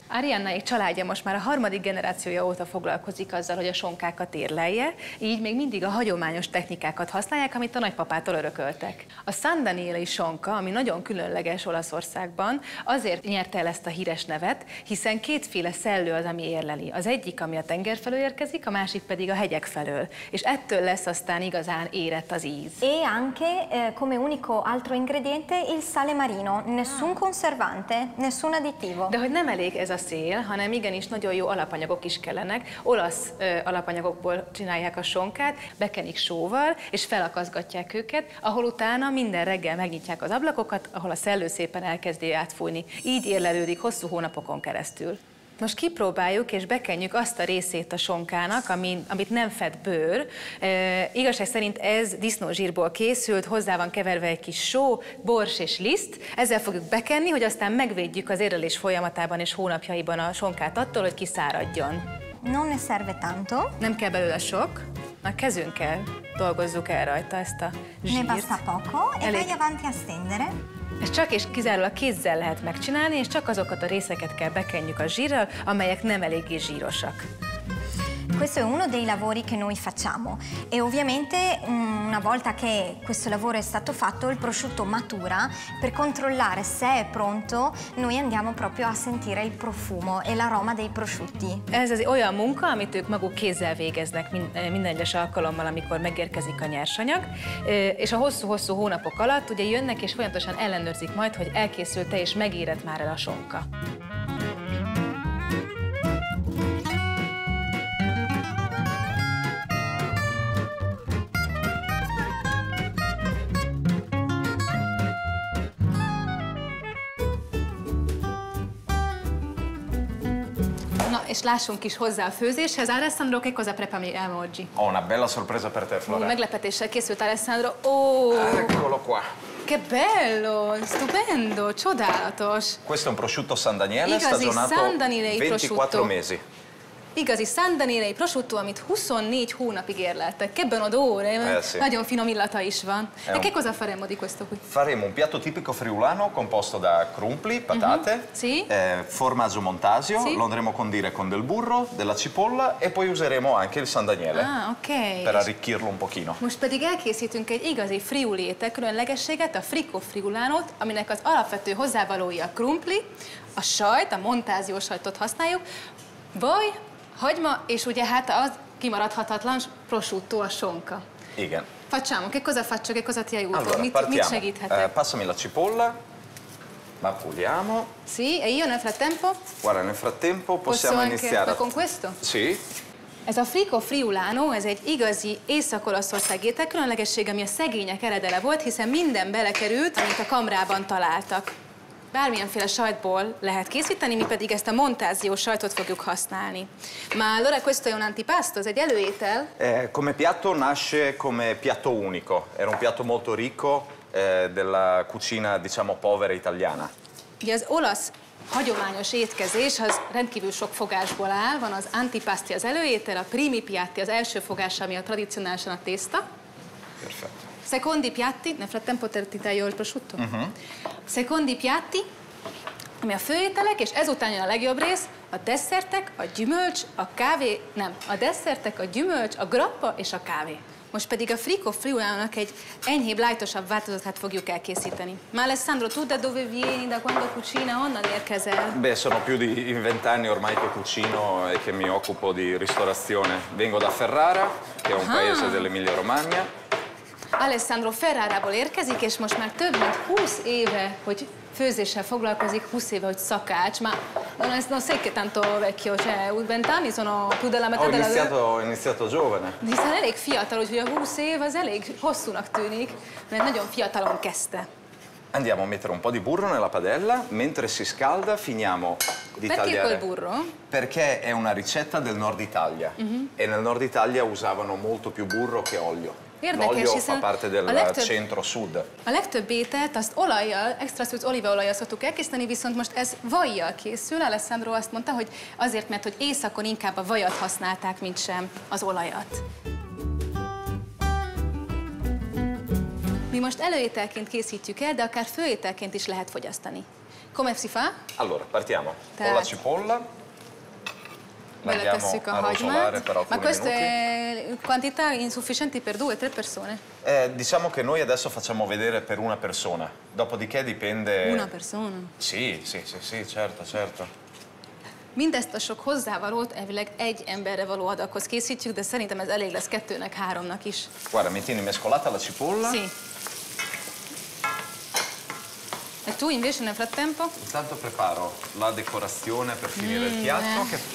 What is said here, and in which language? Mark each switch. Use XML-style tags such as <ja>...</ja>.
<hu>Arianna egy családja most már a harmadik generációja óta foglalkozik azzal, hogy a sonkákat érlelje, így még mindig a hagyományos technikákat használják, amit a nagypapától örököltek. A San Danielei sonka, ami nagyon különleges Olaszországban, azért nyerte el ezt a híres nevet, hiszen kétféle szellő az, ami érleli. Az egyik, ami a tenger felől érkezik, a másik pedig a hegyek felől. És ettől lesz aztán igazán érett az íz.</hu> <it>E anche come unico altro ingrediente il sale marino. Nessun conservante, nessun additivo.</it> <hu>De hogy nem elég ez a szél, hanem igenis nagyon jó alapanyagok is kellenek. Olasz alapanyagokból csinálják a sonkát, bekenik sóval, és felakaszgatják őket, ahol utána minden reggel megnyitják az ablakokat, ahol a szellő szépen elkezdi átfújni. Így érlelődik hosszú hónapokon keresztül. Most kipróbáljuk és bekenjük azt a részét a sonkának, amit nem fed bőr. Igazság szerint ez disznózsírból készült, hozzá van keverve egy kis só, bors és liszt. Ezzel fogjuk bekenni, hogy aztán megvédjük az érlelés folyamatában és hónapjaiban a sonkát attól, hogy kiszáradjon.</hu> <it>Non ne serve tanto.</it> <hu>Nem kell belőle sok. A kezünkkel dolgozzuk el rajta ezt a zsírt.</hu> <it>Ne basta poco e vai avanti a stendere.</it> <hu>Ezt csak és kizárólag kézzel lehet megcsinálni, és csak azokat a részeket kell bekenjük a zsírral, amelyek nem eléggé zsírosak.</hu> <it>Questo è uno dei lavori che noi facciamo e ovviamente una volta che questo lavoro è stato fatto il prosciutto matura per controllare se è pronto noi andiamo proprio a sentire il profumo e l'aroma dei prosciutti.</it> <hu>Ez az olyan munka, amit ők maguk kézzel végeznek minden egyes alkalommal, amikor megérkezik a nyersanyag, és a hosszú-hosszú hónapok alatt ugye jönnek és folyamatosan ellenőrzik majd, hogy elkészült-e és megérett már el a sonka. És lássunk is hozzá a főzéshez.</hu> <it>Alessandro, che cosa prepami oggi? Ho una bella sorpresa per te, Flora.</it> <hu>Meglepetéssel készült, Alessandro.</hu> <it>Eccolo qua. Che bello, stupendo,</it> <hu>csodálatos.</hu> <it>Questo è un prosciutto San Daniele, stagionato 24 mesi.</it> <hu>Igazi San Danielei prosciutto, amit 24 hónapig érleltek.</hu> <it>Che buon odore,</it> <hu>nagyon finom illata is van.</hu> <it>E che cosa faremo di questo qui? Faremo un piatto tipico friulano composto da crumpli, patate, formaggio montasio, lo andremo a condire con del burro, della cipolla e poi useremo anche il San Daniele per arricchirlo un pochino.</it> <hu>Most pedig elkészítünk egy igazi friuli étel különlegességet, a frico friulanot, aminek az alapvető hozzávalója a krumpli, a sajt, a montázió sajtot használjuk, vagy hagyma, és ugye hát az kimaradhatatlan prosciutto, a sonka. Igen.</hu> <it>Facciamo, che cosa faccio, che cosa ti aiuto? Allora,</it> <hu>mit segíthetek?</hu> <it>Passami la cipolla, la puliamo. Sì, e io nel frattempo? Guarda, nel frattempo possiamo iniziare. Con questo? Sì.</it> <hu>Ez a frico friulano, ez egy igazi észak-olaszország étel különlegesség, ami a szegények eredele volt, hiszen minden belekerült, amit a kamrában találtak. Bármilyenféle sajtból lehet készíteni, mi pedig ezt a montázió sajtot fogjuk használni.</hu> <it>Ma allora questo è un antipasto,</it> <hu>ez egy előétel?</hu> <it>Come piatto nasce come piatto unico. Era un piatto molto ricco della cucina, diciamo, povera italiana.</it> <hu>Ugye az olasz hagyományos étkezés az rendkívül sok fogásból áll. Van az antipasti az előétel, a primi piatti az első fogás, ami a tradicionálisan a tészta.</hu> <it>Perfetto. Secondi piatti, nel frattempo ti taglio il prosciutto.</it> <hu>Secondi piatti, ami a főételek, és ezután jön a legjobb rész, a desszertek, a gyümölcs, a kávé, nem, a desszertek, a gyümölcs, a grappa és a kávé. Most pedig a Frico Friulano-nak egy enyhébb, lájtosabb változatát fogjuk elkészíteni.</hu> <it>Ma Alessandro, tu da dove vieni, da quando cucina,</it> <hu>onnan érkezel?</hu> <it>Beh, sono più di 20 anni ormai che cucino e che mi occupo di ristorazione. Vengo da Ferrara, che è un paese dell'Emilia Romagna.</it> <hu>Alessandro Ferrarából érkezik, és most már több mint 20 éve, hogy főzéssel foglalkozik, 20 éve, hogy szakács.</hu> <it>Ma non è, non sei che tanto vecchio, cioè, 20 anni, sono più della metà della... Ho iniziato giovane.</it> <hu>Hiszen elég fiatal, úgyhogy a 20 év az elég hosszúnak tűnik, mert nagyon fiatalon kezdte.</hu> <it>Andiamo a mettere un po' di burro nella padella, mentre si scalda finiamo di perché tagliare. Perché quel burro? Perché è una ricetta del nord Italia e nel nord Italia usavano molto più burro che olio.</it> <hu>Érdekes,</hu> <it>l'olio fa parte del centro-sud.</it> <hu>A legtöbb ételt azt olajjal, extra szűz olívaolajjal szoktuk elkészíteni, viszont most ez vajjal készül. Alessandro azt mondta, hogy azért, mert hogy éjszakon inkább a vajat használták, mint sem az olajat. Mi most előételként készítjük el, de akár főételként is lehet fogyasztani.</hu> <it>Come si fa? Allora, partiamo.</it> <hu>Tehát...</hu> <it>Con la cipolla.</it> <hu>Beletesszük a hagymát.</hu> <it>Ma questo è quantità insufficienti per 2-3 persone. Diciamo che noi adesso facciamo vedere per una persona. Dopodiché dipende... Una persona? Sì, certo.</it> <hu>Mindezt a sok hozzávalót elvileg egy emberre való adaghoz készítjük, de szerintem ez elég lesz 2-3-nak is.</hu> <it>Guarda, mi tieni mescolata la cipolla? Sì. E tu invece nel frattempo? Intanto preparo la decorazione per finire il piatto.</it>